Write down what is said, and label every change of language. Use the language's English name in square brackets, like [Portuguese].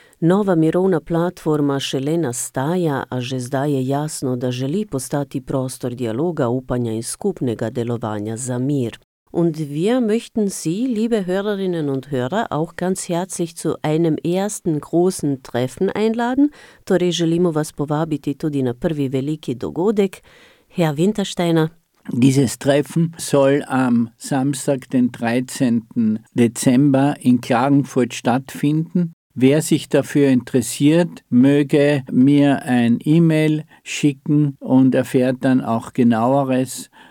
[Slovenian] Nova mirovna platforma šele nastaja, a že zdaj je jasno, da želi postati prostor dialoga, upanja in skupnega delovanja za mir. [German] Und wir möchten Sie, liebe Hörerinnen und Hörer, auch ganz herzlich zu einem ersten großen Treffen einladen. [Slovenian] Torej želimo vas povabiti tudi na prvi veliki dogodek. [German] Herr Wintersteiner. Dieses Treffen soll am Samstag, den 13. Dezember in Klagenfurt stattfinden. Wer sich dafür interessiert, möge mir ein E-Mail schicken und erfährt dann auch genaueres.